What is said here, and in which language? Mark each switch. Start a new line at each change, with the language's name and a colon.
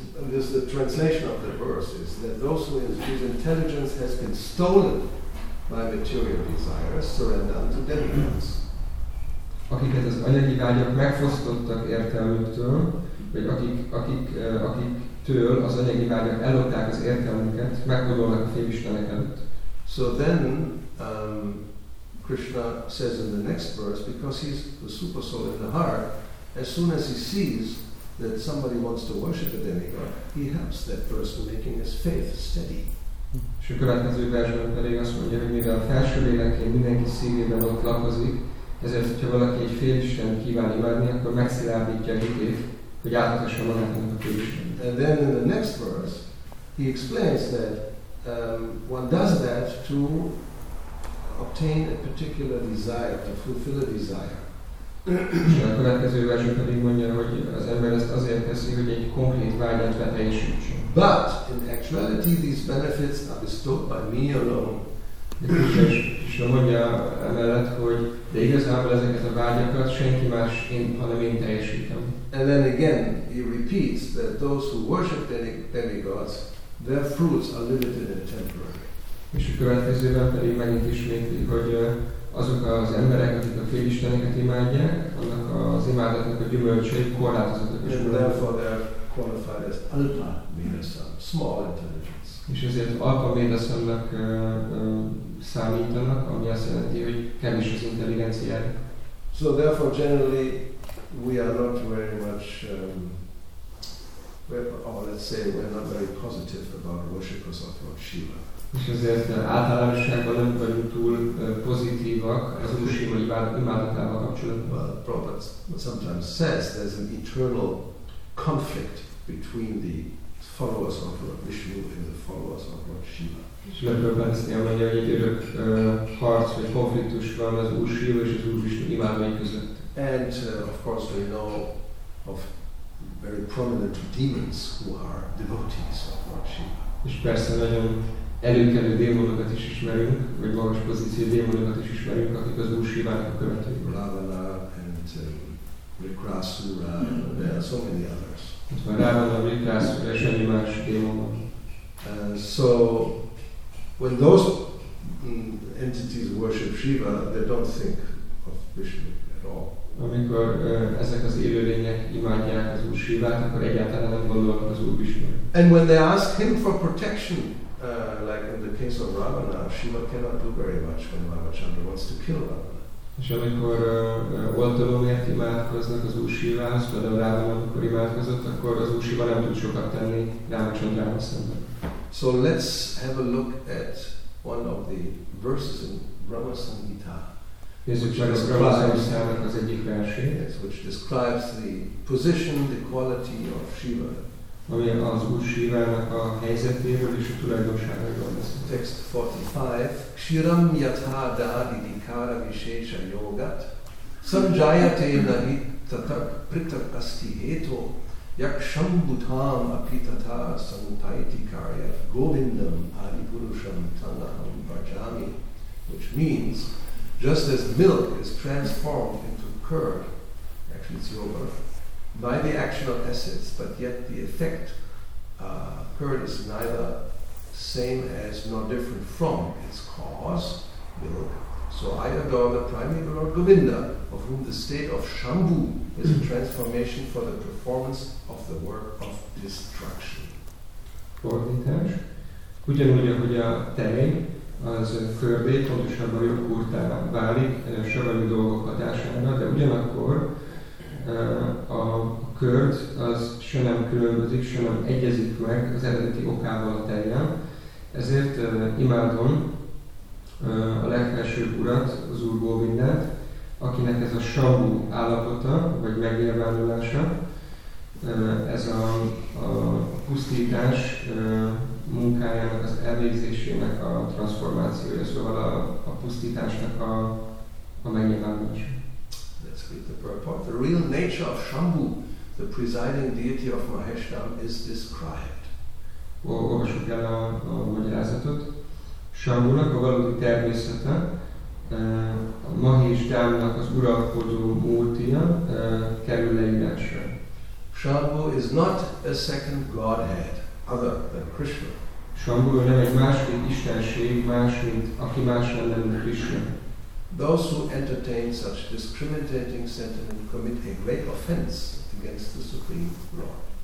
English: This is the translation of the verse, is that those whose intelligence has been stolen by material desires surrender unto demigods.
Hungarian: Akiket az anyagi vágyak megfosztottak értelmüktől, vagy akiktől az anyagi vágyak ellopták az értelmüket, megkodolnak a félistenek előtt.
English: So then Krishna says in the next verse, because he's the super soul in the heart, as soon as he sees that somebody wants to worship a demigod, he helps that person making his faith steady.
Hungarian: És a következő versben pedig azt mondja, hogy mivel a felső lélekén mindenki szívében ott lakozik, ezért, hogyha valaki egy félisten kíván imádni, akkor megszilárdítja a hitét, hogy átadhassa magának a félisten.
English: And then in the next verse, he explains that one does that to obtain a particular desire, to fulfill a desire.
Hungarian: És a következő verse pedig mondja, hogy az ember ezt azért teszi, hogy egy konkrét vágyat beteljesítsen.
English: But in actuality, these benefits are bestowed by me alone.
Hungarian: És mondja emellett, hogy de igazából ezeket a vágyakat senki más, hanem én teljesítem.
English: And then again, he repeats that those who worship demigods, their fruits are limited and temporary.
Hungarian: És a következőben pedig megint ismétli, hogy azok az emberek, akik a félisteneket imádják, annak az imádatnak a gyümölcsei korlátozottak.
English: And therefore they are qualified as alpa vedasam, small intelligence.
Hungarian: És ezért alpa védeszemnek számítanak, ami azt jelenti, hogy kevés az intelligenciája.
English: So therefore generally we are not very much, we're not very positive about worshippers of Lord Shiva.
Hungarian: És ezért általánosságban nem vagyunk túl pozitívak az Úr Shiva imádatával kapcsolatban.
English: Well, Prabhupada sometimes says there's an eternal conflict between the followers of Lord Vishnu and the followers of Lord Shiva.
Hungarian: Srila mondja, hogy egy örök harc vagy konfliktus van az Úr Shiva és az Úr Vishnu imádói között.
English: And of course we know of very prominent demons who are devotees of Lord Shiva.
Hungarian: És persze nagyon előkelő démonokat is ismerünk, vagy magas pozíció démonokat is ismerünk, akik az Úr Shivának a követői.
English: Lavala and Rikrasura, there are so many others.
Hungarian: Itt van Ravana, Rikrasura és annyi más démonok.
English: So, when those entities worship Shiva, they don't think of Vishnu at all.
Hungarian: Amikor ezek az élőlények imádják az Úr Sivát, akkor egyáltalán nem gondolnak az Úr Vishnu-ra.
English: And when they ask him for protection, like in the case of Ravana, Shiva cannot do very much when Ravachandra wants to kill Ravana.
Hungarian: És amikor oltalomért imádkoznak az Úr Sivához, például Ravana, amikor imádkozott, akkor az Úr Siva nem tud sokat tenni Ravachandrával szemben.
English: So let's have a look at one of the verses in Brahma Sangita.
Hungarian: Nézzük csak a Brahma Sangitának az egyik versét, which describes the position, the quality of Shiva. Ami az Úr Sivának a helyzetéről és a tulajdonságáról beszél.
English: Text 45.
Sanskrit: Kshiram yatha dadidikara visesha yogat sanjayate nahi tatak pritak asti heto yaksham bhutam api tatha samutaiti karya govindam adipurusham tanaham bhajami,
English: which means just as milk is transformed into curd, actually it's yogurt, by the action of acids, but yet the effect curd is neither same as nor different from its cause, milk. So I adore the primary Lord Govinda, of whom the state of Shambhu is a transformation for the performance of the work of destruction.
Hungarian: Fordítás. Ugyanúgy, ahogy a tej, az körbé, pontosabban joghurtá válik, savanyú dolgokat ásánynak, de ugyanakkor a körd az se nem különbözik, se nem egyezik meg az eredeti okával a tejjel. Ezért imádom a legfelsőbb urat, az Úr Govindát, akinek ez a savú állapota, vagy megnyilvánulása, ez a pusztítás munkájának, az elvégzésének a transformációja, szóval a pusztításnak a megnyilvánulása.
English: Let's read the purport. The real nature of Shambhu, the presiding deity of Maheshram, is described.
Hungarian: Olvassuk el a magyarázatot. Shambhunak a valódi természete, a Maheshdámnak az uralkodó múltja kerül leírásra.
English: Shambhu is not a second godhead other than Krishna.
Hungarian: Shambhu nem egy másik istenség, más, mint aki más lenne, mint Krishna.
English: Those who entertain such discriminating sentiment commit a great offense against the Supreme Lord.